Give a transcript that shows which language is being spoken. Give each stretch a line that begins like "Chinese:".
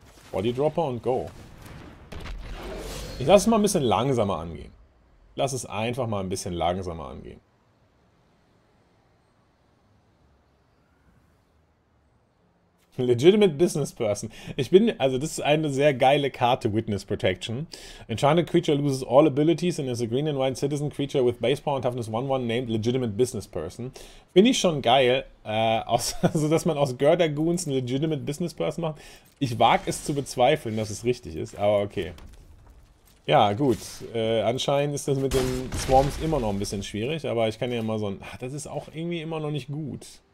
German: Body Dropper und go. Ich lasse es mal ein bisschen langsamer angehen. Lass es einfach mal ein bisschen langsamer angehen. Legitimate Business Person. Ich bin, also das ist eine sehr geile Karte, Witness Protection.
English: Enchanted creature loses all abilities and is a green and white citizen creature with base power and toughness 1/1 named Legitimate Business Person.
German: Finde ich schon geil, also dass man aus Gördergoons eine Legitimate Business Person macht. Ich wage es zu bezweifeln, dass es richtig ist, aber okay. Ja, gut. Anscheinend ist das mit den Swarms immer noch ein bisschen schwierig, aber ich kann ja mal so ein. Ach, das ist auch irgendwie immer noch nicht gut.